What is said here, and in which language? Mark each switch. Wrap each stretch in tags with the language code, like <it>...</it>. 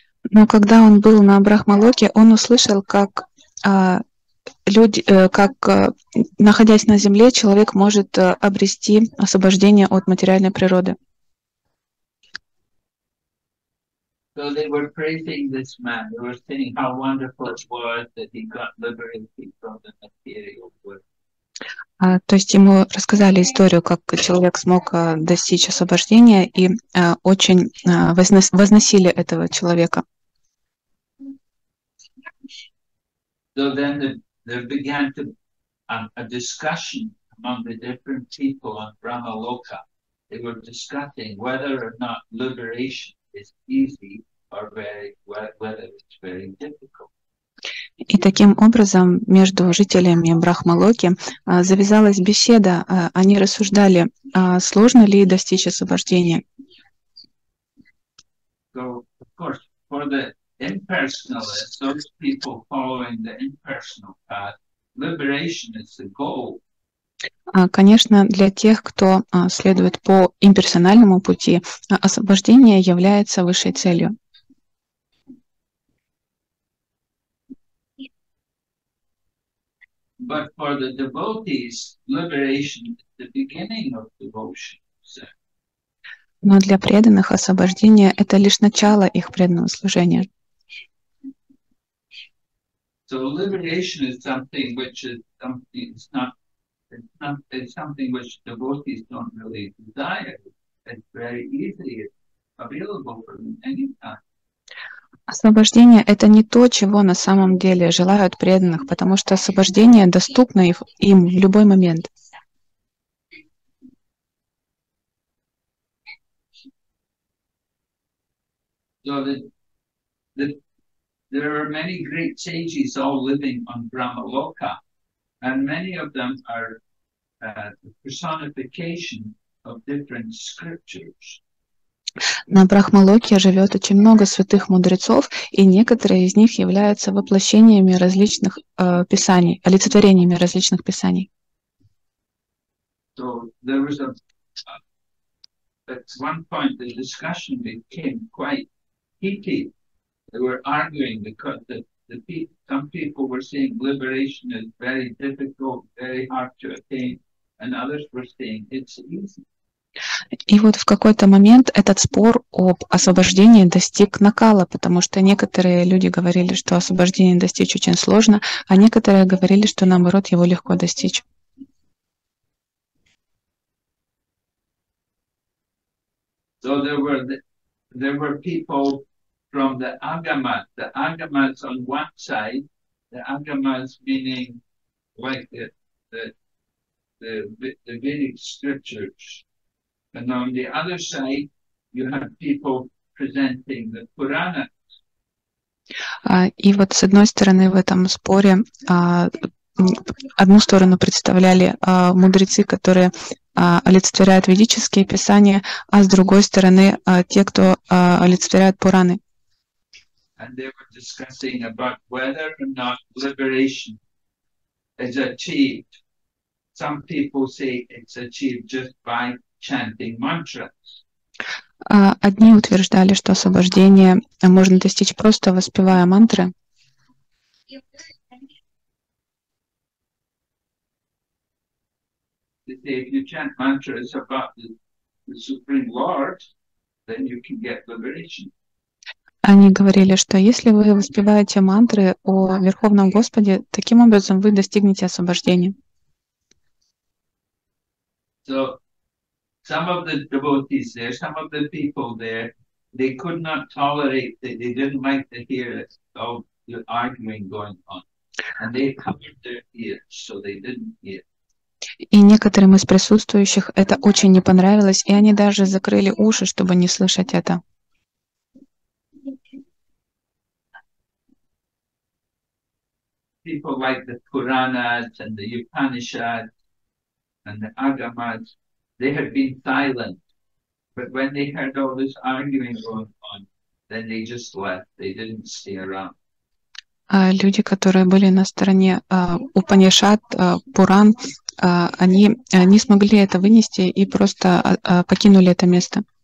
<ru>Но когда он был на Брахмалоке, он услышал, как находясь на Земле, человек может обрести освобождение от материальной природы.</ru> <en>So they were praising this man. They were saying how wonderful it was that he got liberated from the material world.</en> <ru>То есть ему рассказали историю, как человек смог достичь освобождения, и очень возносили этого человека.</ru> <en>So then there began to a discussion among the different people on Brahmaloka. They were discussing whether or not liberation is easy or whether it's very difficult.</en> <ru>И таким образом между жителями Брахмалоки завязалась беседа. Они рассуждали, сложно ли достичь освобождения.</ru> <en>So, of course, for the impersonalists, those people following the impersonal path, liberation is the goal.</en> <ru>Конечно, для тех, кто следует по имперсональному пути, освобождение является высшей целью.</ru> <en>But for the devotees, liberation is the beginning of devotion.</en> <ru>Но для преданных освобождение — это лишь начало их преданного служения.</ru> <en>So liberation is something which is something, it's something which devotees don't really desire. It's very easy. It's available for them anytime.</en> <ru>Освобождение — это не то, чего на самом деле желают преданных, потому что освобождение доступно им в любой момент.</ru> <en>So there are many great sages all living on Brahmaloka, and many of them are the personification of different scriptures.</en> <ru>На Брахмалоке живет очень много святых мудрецов, и некоторые из них являются воплощениями различных писаний, олицетворениями различных писаний.</ru> <en>So there was at one point the discussion became quite heated. They were arguing because Some people were saying liberation is very difficult, very hard to attain, and others were saying it's easy.</en> <ru>И вот в какой-то момент этот спор об освобождении достиг накала, потому что некоторые люди говорили, что освобождение достичь очень сложно, а некоторые говорили, что наоборот его легко достичь.</ru> <en>So there were people from the agamas on one side, the agamas meaning like the Vedic scriptures, and on the other side, you have people presenting the Purana.</en> <ru>И вот с одной стороны в этом споре одну сторону представляли мудрецы, которые олицетворяют ведические писания, а с другой стороны те, кто олицетворяют Пураны.</ru> <en>And they were discussing about whether or not liberation is achieved. Some people say it's achieved just by chanting mantras.</en> <ru>Одни утверждали, что освобождение можно достичь просто воспевая мантры.</ru> <en>If you chant mantras about the Supreme Lord, then you can get liberation.</en> <ru>Они говорили, что если вы воспеваете мантры о Верховном Господе, таким образом вы достигнете освобождения.</ru> <en>So, some of the devotees there, some of the people there, they could not tolerate that they didn't like to hear all the arguing going on. And they covered their ears, so they didn't hear.</en> <ru>И некоторым из присутствующих это очень не понравилось, и они даже закрыли уши, чтобы не слышать это.</ru> <en>People like the Puranas and the Upanishads and the Agamas, they had been silent, but when they heard all this arguing going on, then they just left. They didn't stay around.</en> <ru>Люди, которые были на стороне Упанишад, Пуран, они не смогли это вынести и просто покинули это место.</ru>